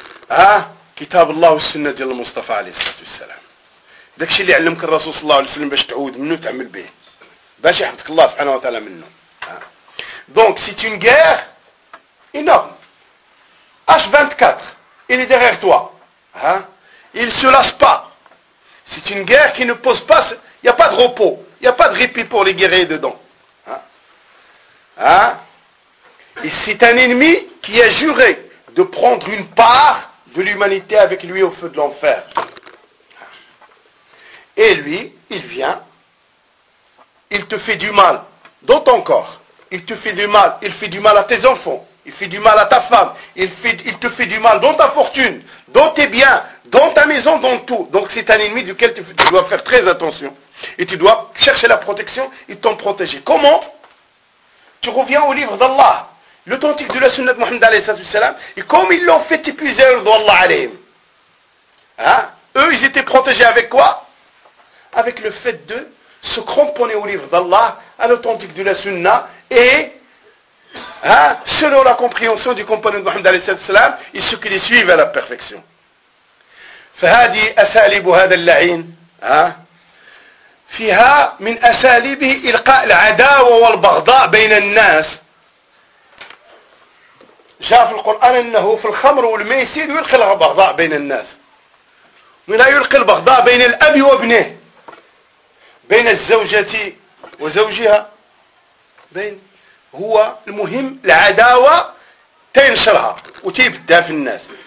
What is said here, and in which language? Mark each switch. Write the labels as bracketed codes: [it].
[ar] ها كتاب الله والسنه ديال المصطفى عليه الصلاه والسلام داكشي اللي علمك الرسول صلى الله عليه وسلم باش تعود منه وتعمل به باش يحفظك الله سبحانه وتعالى منه ها دونك سي تون غير انورم اش 24 اللي [fr] derrière toi [ar] ها [fr] Il ne se lasse pas. C'est une guerre qui ne pose pas... Il n'y a pas de repos. Il n'y a pas de répit pour les guerriers dedans. Hein? Et c'est un ennemi qui a juré de prendre une part de l'humanité avec lui au feu de l'enfer. Et lui, il vient. Il te fait du mal. Dans ton corps. Il te fait du mal. Il fait du mal à tes enfants. Il fait du mal à ta femme. Il te fait du mal dans ta fortune. Dans tes biens. Dans ta maison, dans tout. Donc c'est un ennemi duquel tu dois faire très attention. Et tu dois chercher la protection et t'en protéger. Comment? Tu reviens au livre d'Allah. L'authentique de la sunnah de Mohammed alayhi salatu wasalam. Et comme ils l'ont fait épuiser d'Allah alayhim. Hein? Eux, ils étaient protégés avec quoi? Avec le fait de se cramponner au livre d'Allah, à l'authentique de la sunnah. Et hein, selon la compréhension du compagnon de Mohammed alayhi salatu wasalam, et ceux qui les suivent à la perfection. [ar] فهذه أساليب هذا اللعين فيها من أساليبه إلقاء العداوة والبغضاء بين الناس جاء في القرآن أنه في الخمر والميسر يلقي البغضاء بين الناس من يلقي البغضاء بين الأب وابنه بين الزوجة وزوجها بين هو المهم العداوة تنشرها وتبدأ في الناس